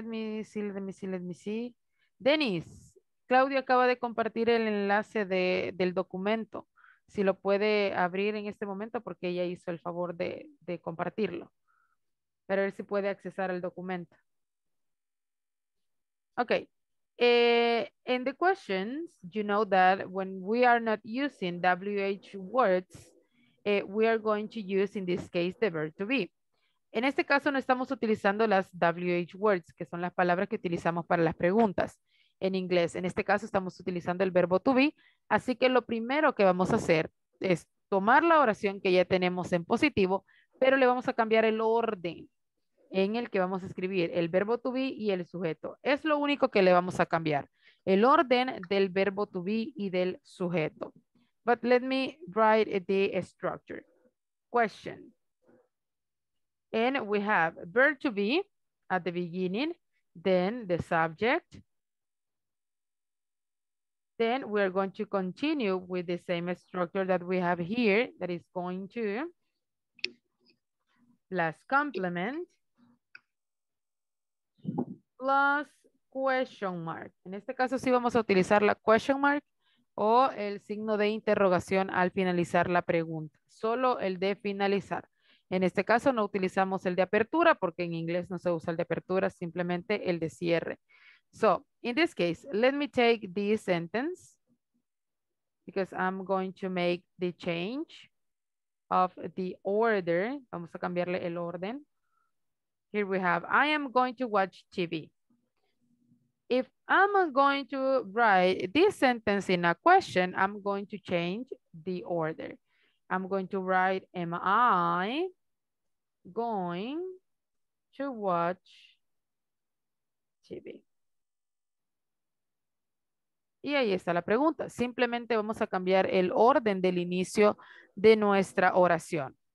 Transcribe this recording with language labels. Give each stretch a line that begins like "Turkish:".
English: Let me see.
Spanish: Denise, Claudia acaba de compartir el enlace del documento. Si lo puede abrir en este momento porque ella hizo el favor de compartirlo. Pero a ver si puede accesar el documento. Okay.
English: In the questions, you know that when we are not using WH words, we are going to use in this case the verb to be.
Spanish: En este caso no estamos utilizando las WH words, que son las palabras que utilizamos para las preguntas en inglés. En este caso estamos utilizando el verbo to be, así que lo primero que vamos a hacer es tomar la oración que ya tenemos en positivo, pero le vamos a cambiar el orden en el que vamos a escribir el verbo to be y el sujeto. Es lo único que le vamos a cambiar, el orden del verbo to be y del sujeto.
English: But let me write the structure. Question. And we have verb to be at the beginning, then the subject. Then we are going to continue with the same structure that we have here, that is going to plus complement plus question mark.
Spanish: En este caso sí vamos a utilizar la question mark o el signo de interrogación al finalizar la pregunta, solo el de finalizar. En este caso no utilizamos el de apertura porque en inglés no se usa el de apertura, simplemente el de cierre.
English: So, in this case, let me take this sentence because I'm going to make the change of the order.
Spanish: Vamos a cambiarle el orden.
English: Here we have, I am going to watch TV. If I'm going to write this sentence in a question, I'm going to change the order. I'm going to write, am I going to watch TV?
Spanish: Y ahí está la pregunta. Simplemente vamos a cambiar el orden del inicio de nuestra oración.